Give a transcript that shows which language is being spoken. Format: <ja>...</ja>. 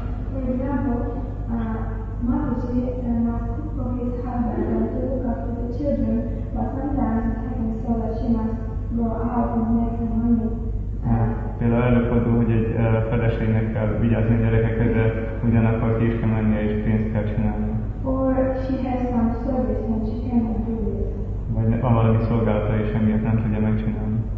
<en>For example, Mataji must cook for his husband and look after the children, but sometimes it happens so that she must go out and make the money.</en> <hu>Például előfordul, hogy egy feleségnek kell vigyázni a gyerekekhez, de ugyanakkor ki is kell menni és pénzt kell csinálni.</hu> <en>Or she has some service and she cannot do it.</en> <hu>Vagy van valami szolgálata és emiatt nem tudja megcsinálni.</hu>